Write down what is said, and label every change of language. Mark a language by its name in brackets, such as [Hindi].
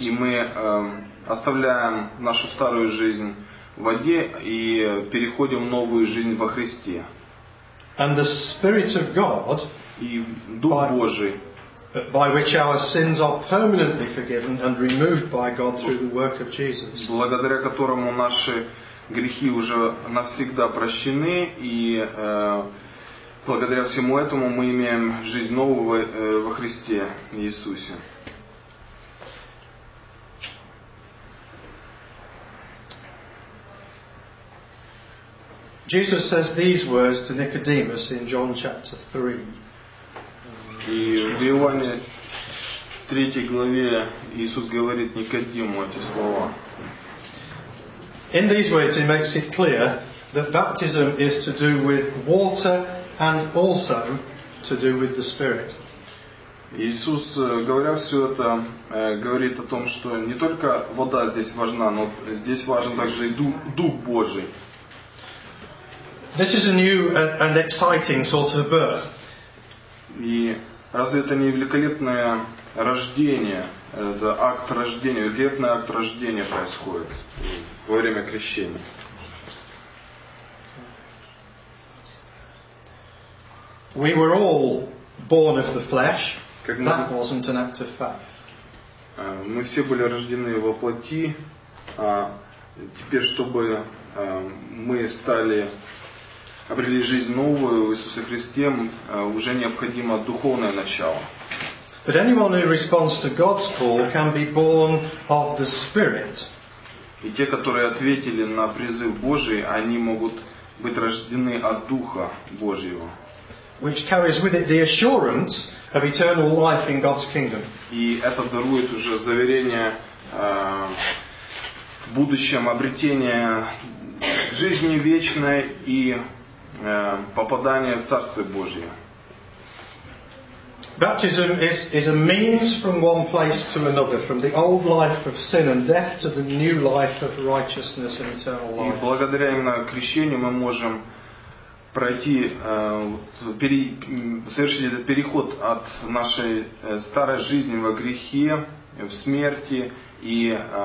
[Russian] И мы оставляем нашу старую жизнь в воде и переходим в новую жизнь во Христе. [English] And the Spirit of God, [Russian] и Дух Божий, [English] by which our sins are permanently forgiven and removed by God through the work of Jesus. [Russian] Благодаря которому наши грехи уже навсегда прощены, и благодаря всему этому мы имеем жизнь новую во Христе Иисусе. [English] Jesus says these words to Nicodemus in John chapter 3. [Russian] И в Иоанне 3 главе Иисус говорит Никодиму эти слова. [English] In these words he makes it clear that baptism is to do with water and also to do with the Spirit. [Russian] Иисус, говоря все это, говорит о том, что не только вода здесь важна, но здесь важен также и Дух Божий. [English] This is a new and exciting sort of birth. [Russian] И разве это не великолепное рождение? Это акт рождения, великолепный акт рождения происходит во время крещения. [English] We were all born of the flesh. That wasn't an act of faith. [Russian] Мы все были рождены во плоти, а теперь, чтобы мы стали обрели жизнь новую в Иисусе Христе, уже необходимо духовное начало. [English] But anyone who responds to God's call can be born of the Spirit. [Russian] И те, которые ответили на призыв Божий, они могут быть рождены от Духа Божьего. [English] Which carries with it the assurance of eternal life in God's kingdom. [Russian] И это дарует уже заверение в будущем обретения жизни вечной и попадание в Царство Божие. [English] Baptism is a means from one place to another, from the old life of sin and death to the new life of righteousness and eternal life. [Russian] И благодаря именно крещению мы можем пройти совершить этот переход от нашей старой жизни во грехе, в смерти и